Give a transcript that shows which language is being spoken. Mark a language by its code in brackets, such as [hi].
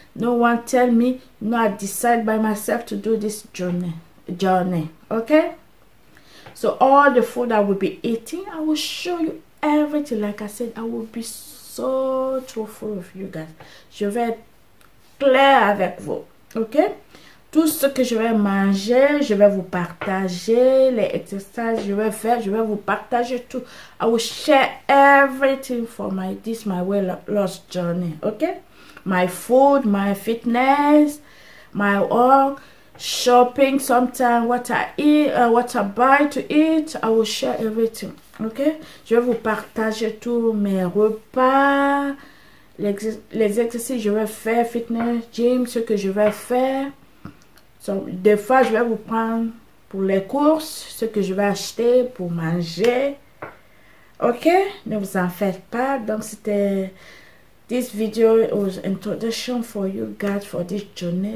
[en] No one tell me. No, I decide by myself to do this journey. Okay? So all the food I will be eating, I will show you everything. Like I said, I will be so truthful with you guys. [fr] Je vais être clair avec vous. Ok? Tout ce que je vais manger, je vais vous partager. Les exercices que je vais faire, je vais vous partager tout. [en] I will share everything for my weight loss journey. Ok? My food, my fitness, my work, shopping sometimes, what I eat, what I buy to eat. I will share everything. [fr] Ok, je vais vous partager tous mes repas, les exercices que je vais faire, fitness, gym, ce que je vais faire. So, des fois, je vais vous prendre pour les courses, ce que je vais acheter pour manger. Ok, ne vous en faites pas. Donc, c'était [en] this video was introduction for you guys for this journey.